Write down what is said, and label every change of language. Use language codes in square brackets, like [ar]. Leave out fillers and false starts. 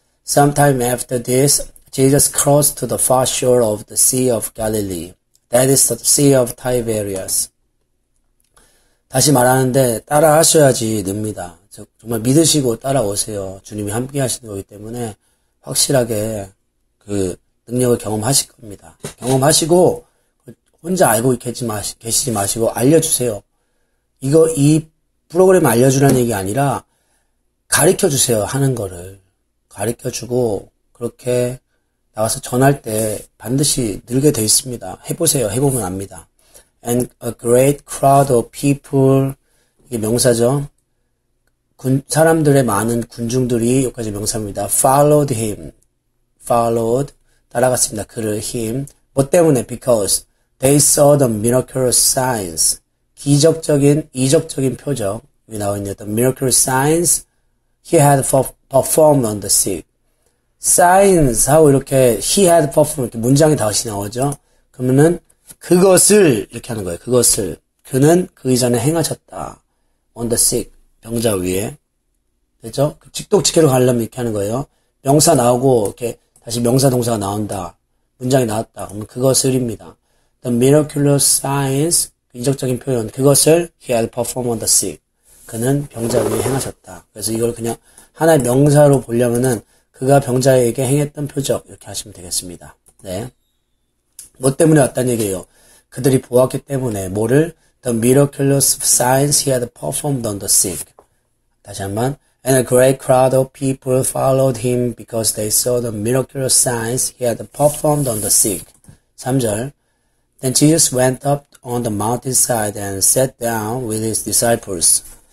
[en] Sometime after this, Jesus crossed to the far shore of the Sea of Galilee. That is the Sea of Tiberias. [ko] 다시 말하는데 따라하셔야지 됩니다. 정말 믿으시고 따라오세요. 주님이 함께 하시는 거기 때문에 확실하게 그 능력을 경험하실 겁니다. 경험하시고 혼자 알고 계시지 마시고 알려주세요. 이거 이 프로그램 알려주라는 얘기 아니라 가르쳐주세요. 하는 거를 가르쳐주고 그렇게 나와서 전할 때 반드시 늘게 돼 있습니다. 해보세요. 해보면 압니다. [en] And a great crowd of people. [ko] 이게 명사죠. 사람들의 많은 군중들이 여기까지 명사입니다. [en] Followed him. Followed. [ko] 따라갔습니다. 그를. [en] Him. [ko] 뭐 때문에? [en] Because. They saw the miraculous signs. [ko] 기적적인, 이적적인 표적. 여기 나와 있는 [en] the miraculous signs he had performed on the sea. Signs [ko] 하고 이렇게 [en] he had performed. [ko] 이렇게 문장이 다시 나오죠. 그러면은 그것을 이렇게 하는 거예요. 그것을. 그는 그 이전에 행하셨다. [en] On the sea. [ko] 병자 위에. 됐죠? 그 직독직해로 가려면 이렇게 하는 거예요. 명사 나오고 이렇게 다시 명사 동사가 나온다. 문장이 나왔다. 그러면 그것을입니다. [en] The miraculous signs, [ko] 인적적인 표현, 그것을 [en] he had performed on the sea. [ko] 그는 병자 위에 행하셨다. 그래서 이걸 그냥 하나의 명사로 보려면은 그가 병자에게 행했던 표적, 이렇게 하시면 되겠습니다. 네. 뭐 때문에 왔다는 얘기예요? 그들이 보았기 때문에, 뭐를? [en] The miraculous signs he had performed on the sea. [ko] 다시 한 번. [en] And a great crowd of people followed him because they saw the miraculous signs he had performed on the sea. [ko] 3절. [en] Then Jesus went up on the mountainside and sat down with his disciples.